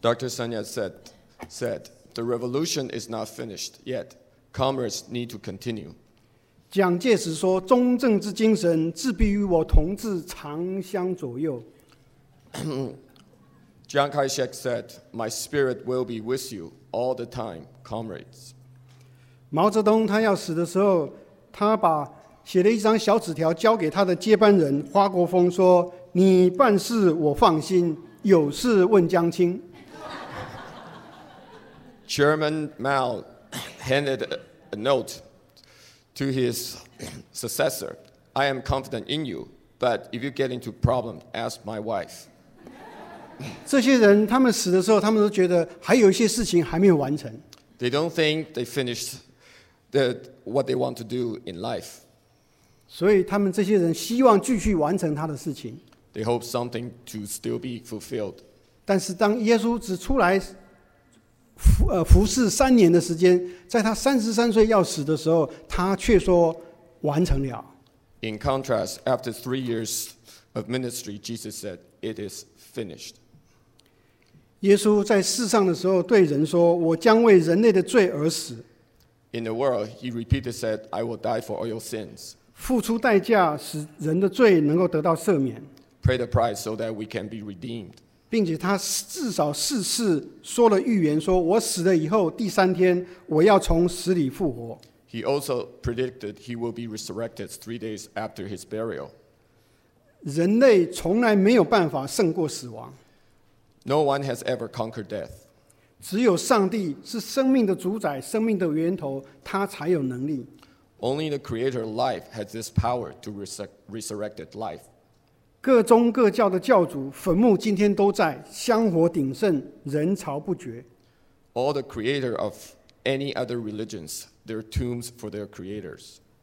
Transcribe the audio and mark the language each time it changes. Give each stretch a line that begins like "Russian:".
English: Dr. Sun Yat said, "The revolution is not finished yet. Comrades need to continue."
Chinese: 蒋介石说：“忠正之精神，自必与我同志长相左右。”
English: Chiang Kai-shek said, "My spirit will be with you all the time, comrades."
Chinese: 毛泽东他要死的时候，他把写了一张小纸条交给他的接班人花国锋，说：“你办事我放心，有事问江青。”
English: Chairman Mao handed a note to his successor. "I am confident in you, but if you get into problem, ask my wife."
Chinese: 这些人他们死的时候，他们都觉得还有一些事情还没有完成。
English: They don't think they finished what they want to do in life.
Chinese: 所以他们这些人希望继续完成他的事情。
English: They hope something to still be fulfilled.
Chinese: 但是当耶稣只出来服侍三年的时间，在他三十三岁要死的时候，他却说完成了。
English: In contrast, after 3 years of ministry, Jesus said, "It is finished."
Chinese: 耶稣在世上的时候对人说，我将为人类的罪而死。
English: In the world, he repeated said, "I will die for all your sins."
Chinese: 付出代价使人的罪能够得到赦免。
English: pay the price so that we can be redeemed.
Chinese: 并且他至少四次说了预言，说我死了以后第三天我要从死里复活。
English: He also predicted he will be resurrected 3 days after his burial.
Chinese: 人类从来没有办法胜过死亡。
English: No one has ever conquered death.
Chinese: 只有上帝是生命的主宰，生命的源头，他才有能力。
English: Only the creator of life has this power to resurrect life.
Chinese: 各宗各教的教主，坟墓今天都在，香火鼎盛，人潮不绝。
English: All the creator of any other religions, their tombs for their creators.